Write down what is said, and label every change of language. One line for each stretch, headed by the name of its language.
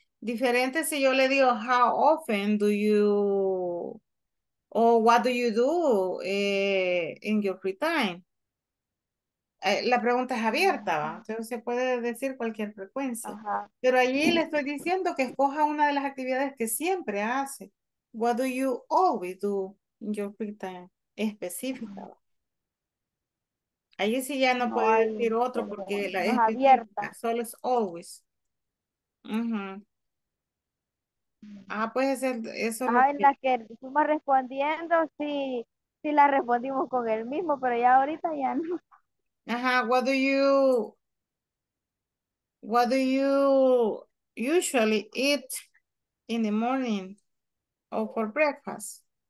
Spanish: Diferente si yo le digo,
English: how often do you, or what do you do in your free time?
Spanish: La pregunta es abierta, ¿va? Entonces se puede decir cualquier frecuencia. Ajá. Pero allí le estoy diciendo que escoja una de las actividades que siempre hace.
English: What do you always do in your free time?
Spanish: Específica. Allí sí ya no puedo decir otro porque la es abierta. Solo es always. Uh-huh. Ah, pues eso. Ah, en las que fuimos respondiendo, sí, sí la respondimos con el mismo, pero ya ahorita ya no.
English: Ajá, what do you usually eat in the morning or for breakfast?